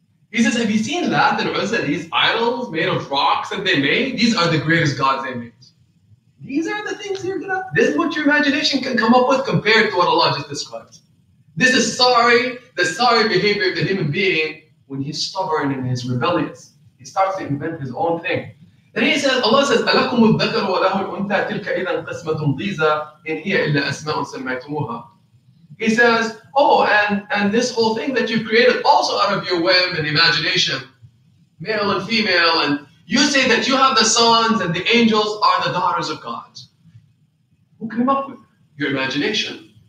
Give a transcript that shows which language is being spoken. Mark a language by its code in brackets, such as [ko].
[en] He says, have you seen Lat al-Uzza? These idols made of rocks that they made, these are the greatest gods they made. These are the things you're gonna. This is what your imagination can come up with compared to what Allah just described. This is sorry, the sorry behavior of the human being when he's stubborn and he's rebellious. He starts to invent his own thing. Then he says, Allah says, [ar] أَلَكُمُ الذَّكَرُ وَلَهُ الْأُنْثَى تِلْكَ إِذًا قِسْمَةٌ ضِيزَى إِنْ هِيَ إِلَّا أَسْمَاءٌ سَمَّيْتُمُوهَا. [en] He says, oh, and this whole thing that you've created also out of your whim and imagination, male and female, and you say that you have the sons and the angels are the daughters of God. Who came up with it? Your imagination.